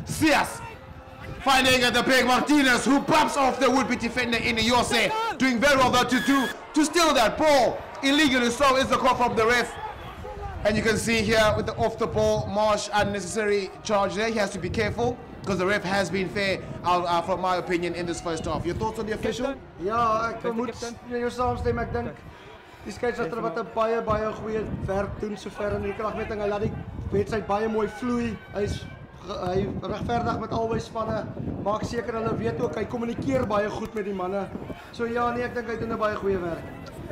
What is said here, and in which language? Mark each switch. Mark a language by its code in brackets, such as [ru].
[en] CS finding the big Martinez, who bumps off the would-be defender in the Yose. Doing very well though to steal that ball. Illegally so is the call from the ref. And you can see here with the off the ball, Marsh unnecessary charge there. He has to be careful, because the ref has been fair, from my opinion, in this first half. Your thoughts on the official? [af] Yeah, ek moet met jou saamstem. Ek dink die skeidsrechter wat 'n baie baie goeie werk doen sover in die kragmeting. Hy laat die wedstryd baie mooi vloei. Hy regverdig met albei spanne. Maak seker hulle weet ook hy kommunikeer baie goed met die manne. So ja, nee, ek dink hy doen 'n baie goeie werk.